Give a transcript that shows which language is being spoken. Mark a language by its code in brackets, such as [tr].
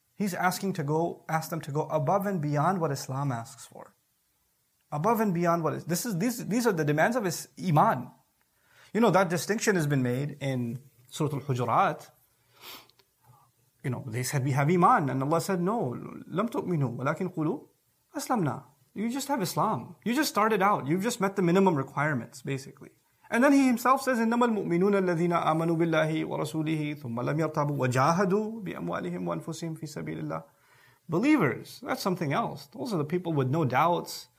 [en] He's asking to go, ask them to go above and beyond what Islam asks for. Above and beyond what is, these are the demands of his Iman. You know, that distinction has been made in Surah Al-Hujurat. You know, they said, we have Iman. And Allah said, no, [ar] لَمْ تُؤْمِنُوا وَلَكِنْ قُلُوا أَسْلَمْنَا. [en] You just have Islam. You just started out. You've just met the minimum requirements, basically. And then he himself says, [ar] إِنَّمَا الْمُؤْمِنُونَ الَّذِينَ آمَنُوا بِاللَّهِ وَرَسُولِهِ ثُمَّ لَمْ يَرْتَابُوا وَجَاهَدُوا بِأَمْوَالِهِمْ وَأَنفُسِهِمْ فِي سَبِيلِ اللَّهِ. [en] Believers, that's something else. Those are the people with no doubts.